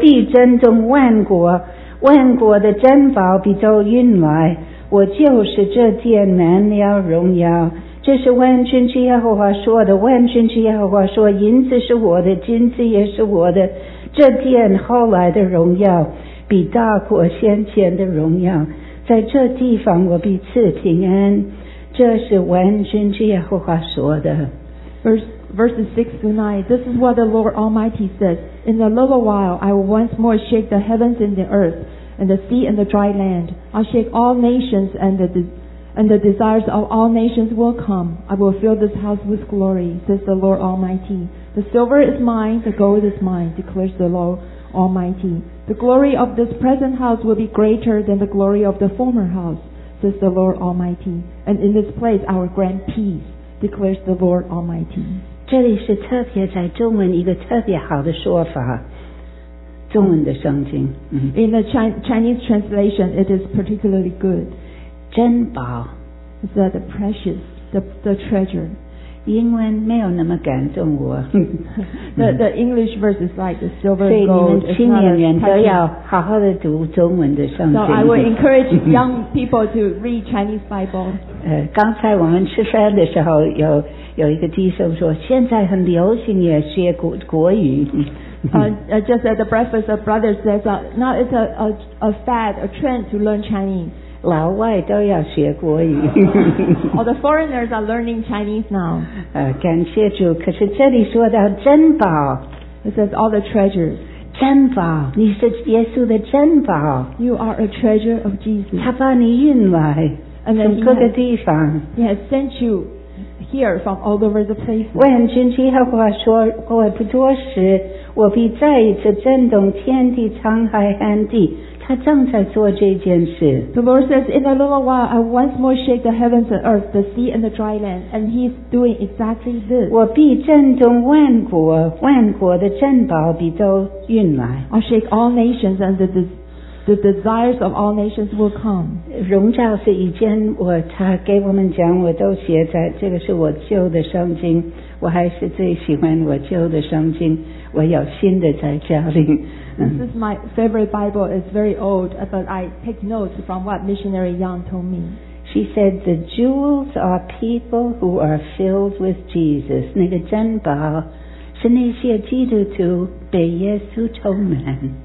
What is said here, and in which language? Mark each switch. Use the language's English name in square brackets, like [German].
[Chinese] 在那里从第六节到第九节是说这样的话。 [English] Verses 6 to 9。 [Chinese] 万军之耶和华如此说，过不多时我必再一次震动天地沧海和旱地，我必震动万国。万国的珍宝必都运来，我就是这殿满了荣耀。这是万军之耶和华说的。万军之耶和华说：银子是我的，金子也是我的。这殿后来的荣耀，必大过先前的荣耀。在这地方我必赐平安。这是万军之耶和华说的。 [English] Verses 6 to 9. This is what the Lord Almighty says: In a little while, I will once more shake the heavens and the earth, and the sea and the dry land. I'll shake all nations, and the desires of all nations will come. I will fill this house with glory, says the Lord Almighty. The silver is mine, the gold is mine, declares the Lord Almighty. The glory of this present house will be greater than the glory of the former house, says the Lord Almighty. And in this place I will grant peace, declares the Lord Almighty. [Chinese] 这里是特别在中文一个特别好的说法。中文的圣经, [English] In the Chinese translation, it is particularly good. [Chinese] 珍宝, [English] is that the precious, the treasure. [Chinese] 英文没有那么感动我。 [English] The English verse is like the silver and gold. [Chinese] 所以你们青年人都要好好的读中文的圣经。 [English] So I will encourage young people to read Chinese Bible. [Chinese] 刚才我们吃饭的时候，有一个弟兄说，现在很流行也学国语。 [English] Just at the breakfast, a brother says, "Now it's a fad, a trend to learn Chinese." [Chinese] 老外都要学国语。 [English] All the foreigners are learning Chinese now. [Chinese] 感谢主，可是这里说到珍宝。 [English] It says all the treasures. [Chinese] 珍宝，你是耶稣的珍宝。 [English] You are a treasure of Jesus. [Chinese] 他把你运来，从各个地方。 [English] He has sent you here from all over the place. [Chinese] 我很惊奇，耶和华说，过不多时，我必再一次震动天地、沧海、旱地。他正在做这件事。 [English] The Lord says, in a little while, I once more shake the heavens and earth, the sea and the dry land, and He's doing exactly this. [Chinese] 我必震动万国，万国的珍宝必都运来。 [English] I'll shake all nations, and the desires of all nations will come. [Chinese] 荣教是以前我他给我们讲，我都写在这个是我旧的圣经，我还是最喜欢我旧的圣经。我有新的在家里。 [English] This is my favorite Bible. It's very old, but I take notes from what Missionary Young told me. She said, the jewels are people who are filled with Jesus. [Chinese] 那个珍宝是那些基督徒被耶稣充满。